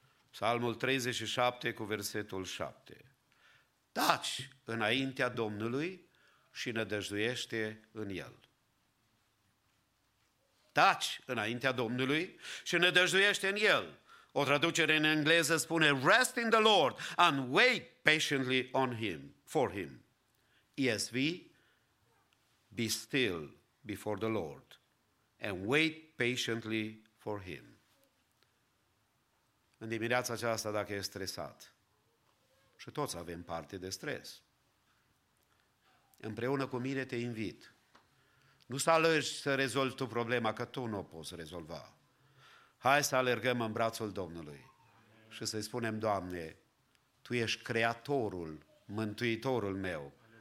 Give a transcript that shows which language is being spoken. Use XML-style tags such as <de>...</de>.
<ro>Psalmul 37 cu versetul 7. Taci înaintea Domnului și nădăjduiește în El. Taci înaintea Domnului și nădăjduiește în El. O traducere în engleză spune,</ro> <en>rest in the Lord and wait patiently on Him, for Him. ESV, be still before the Lord and wait patiently for Him.</en> <ro>În dimineața aceasta, dacă ești stresat, și toți avem parte de stres, împreună cu mine te invit, nu să alergi să rezolvi tu problema, că tu nu o poți rezolva. Hai să alergăm în brațul Domnului și să-i spunem, Doamne, Tu ești Creatorul, Mântuitorul meu.</ro>